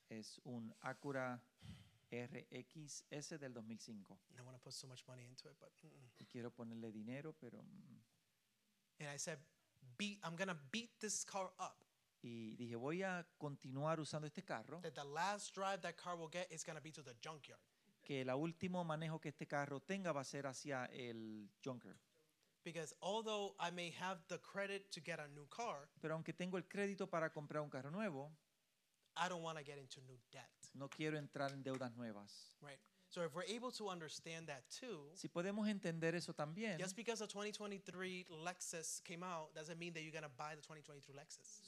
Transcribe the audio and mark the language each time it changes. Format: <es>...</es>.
<es>Es un Acura RXS del 2005.</es> <en>I want to put so much money into it, but.</en> <es>Y quiero ponerle dinero, pero.</es> <en>And I said, I'm gonna beat this car up.</en> <es>Y dije, voy a continuar usando este carro.</es> <en>That the last drive that car will get is gonna be to the junkyard.</en> <es>Que el último manejo que este carro tenga va a ser hacia el junker.</es> <en>Because although I may have the credit to get a new car,</en> <es>pero aunque tengo el crédito para comprar un carro nuevo,</es> <en>I don't want to get into new debt.</en> <es>No quiero entrar en deudas nuevas.</es> <en>Right. So if we're able to understand that too,</en> <es>si podemos entender eso también,</es> <en>just because a 2023 Lexus came out doesn't mean that you're going to buy the 2023 Lexus.</en>